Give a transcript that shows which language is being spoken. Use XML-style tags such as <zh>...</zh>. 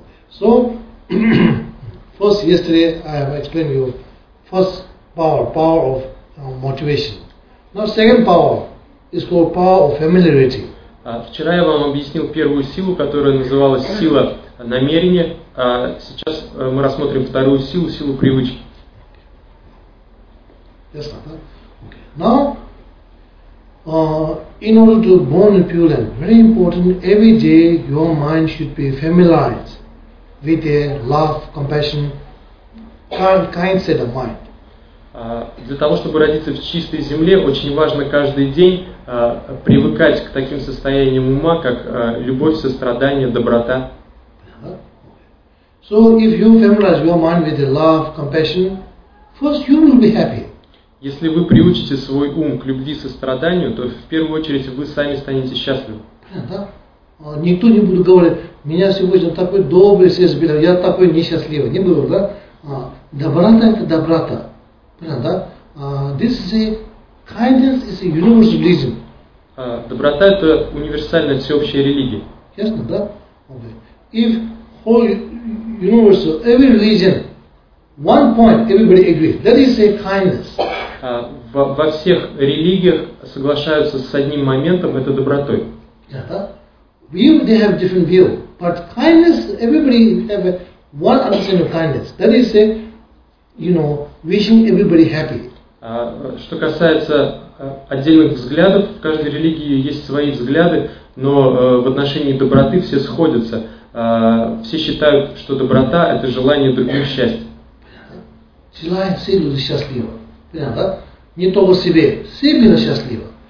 <en>So, first, yesterday I have explained you first power of motivation. Now second power is called power of familiarity.</en> <ru>Вчера я вам объяснил первую силу, которая называлась сила намерения. Сейчас мы рассмотрим вторую силу, силу привычки.</ru> <en>Yes, now, in order to born in pure land, very important, every day your mind should be familiarized with a love, compassion, kind set of mind.</en> <ru>Для того, чтобы родиться в чистой земле, очень важно каждый день привыкать к таким состояниям ума, как любовь, сострадание, доброта.</ru> <en>So if you familiarize your mind with love, compassion, first you will be happy.</en> <ru>Если вы приучите свой ум к любви, состраданию, то в первую очередь вы сами станете счастливы. Никто не будет говорить, меня сегодня такой добрый сердце берет, я такой несчастливый. Не буду, да? Доброта – это доброта.</ru> <en>This is a kindness is a universal religion.</en> <ru>Доброта это универсальная всеобщая религия.</ru> <en>Yes, no, that. Okay. If whole universal every religion one point everybody agrees that is a kindness.</en> <ru>Во всех религиях соглашаются с одним моментом это добротой.</ru> <en>View they have different view, but kindness everybody have one understanding of kindness. That is a wishing everybody happy.</en> <ru>Что касается отдельных взглядов, в каждой религии есть свои взгляды, но в отношении доброты все сходятся. Все считают, что доброта – это желание другим счастья. Желание все люди счастливы. Понятно, да? Не только себе, все люди счастливы.</ru>